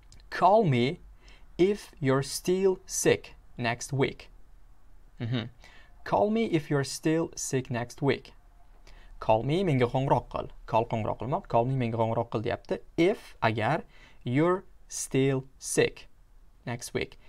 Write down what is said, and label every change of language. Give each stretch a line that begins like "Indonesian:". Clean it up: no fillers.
English: Call me if you're still sick next week. Call me if you're still sick next week. Call me,
Uzbek: menga qo'ng'iroq qil. Call qo'ng'iroq qilmoq. Call me, menga qo'ng'iroq qil deyapti.
English: If, agar, you're still sick next week.